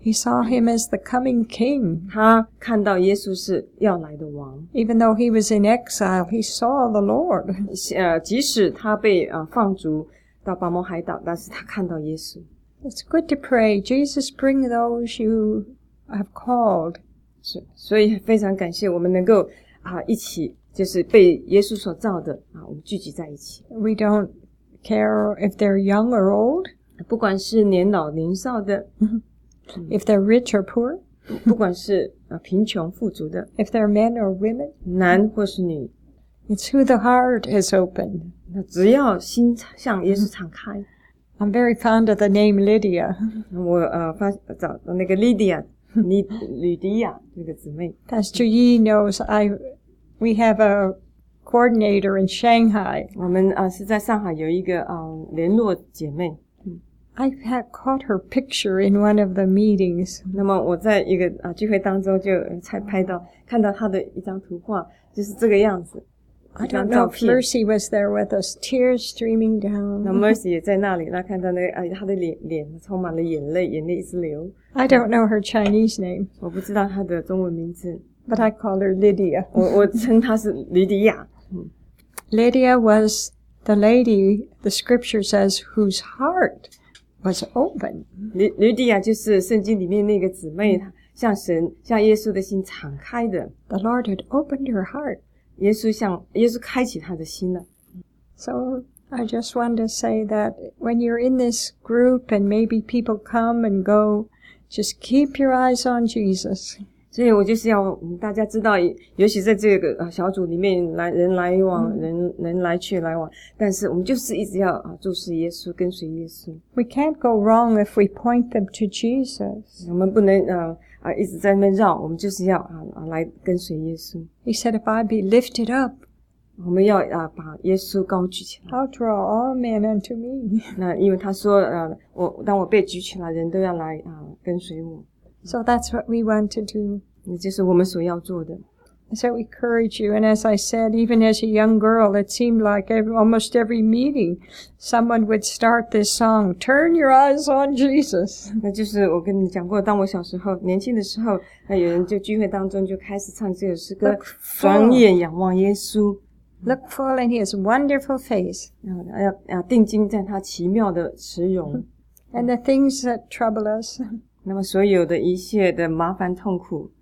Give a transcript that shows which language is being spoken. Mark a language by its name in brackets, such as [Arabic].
[English] He saw him as the coming king. [Chinese] 他看到耶稣是要来的王。 [English] Even though he was in exile, he saw the Lord. [Chinese] 即使他被放逐到拔摩海岛，但是他看到耶稣。 [English] It's good to pray. Jesus, bring those you have called. [Chinese] 所以非常感谢我们能够一起就是被耶稣所召的我们聚集在一起。 [English] We don't care if they're young or old. [Chinese] 不管是年老年少的 [English] If they're rich or poor [Chinese] 不管是贫穷富足的 [English] If they're men or women [Chinese] 男或是女 [English] It's who the heart is open [Chinese] 只要心向耶稣敞开 [English] I'm very fond of the name Lydia [Chinese] 我找到那个 Lydia 吕迪亚那个姊妹 [English] As Juyi knows we have a coordinator in Shanghai [Chinese] 我们是在上海有一个联络姐妹 [English] I had caught her picture in one of the meetings. [Chinese] 那么我在一个聚会当中就才拍到看到她的一张图画就是这个样子 [English] I don't know if Mercy was there with us, tears streaming down. [Chinese] 那 Mercy 也在那里那看到她的脸充满了眼泪眼泪一直流 [English] I don't know her Chinese name. [Chinese] 我不知道她的中文名字 [English] But I call her Lydia. [Chinese] 我称她是吕迪亚 [English] Lydia was the lady, the scripture says, whose heart was open. [Chinese] 吕迪亚就是圣经里面那个姊妹向神向耶稣的心敞开的。 [English] The Lord had opened her heart. [Chinese] 耶稣开启她的心了。 [English] So, I just want to say that when you're in this group and maybe people come and go, just keep your eyes on Jesus. [Chinese] 所以我就是要大家知道尤其在这个小组里面人来往人来去来往但是我们就是一直要注视耶稣跟随耶稣。 [English] We can't go wrong if we point them to Jesus. [Chinese] 我们不能一直在那边绕我们就是要来跟随耶稣。 [English] He said, if I be lifted up, [Chinese] 我们要把耶稣高举起来。 [English] I'll draw all men unto me. [Chinese] 那因为他说当我被举起来人都要来跟随我。 [English] So that's what we want to do. [Chinese] 那就是我们所要做的。 [English] So we encourage you. And as I said, even as a young girl, it seemed like almost every meeting, someone would start this song, Turn Your Eyes on Jesus. [Chinese] 那就是我跟你讲过，当我小时候，年轻的时候，那有人就聚会当中就开始唱这首诗歌，转眼仰望耶稣。 [English] Look full in his wonderful face. [Chinese] 要定睛在他奇妙的慈容。 [English] And the things that trouble us. [Chinese] 那么所有的一切的麻烦痛苦。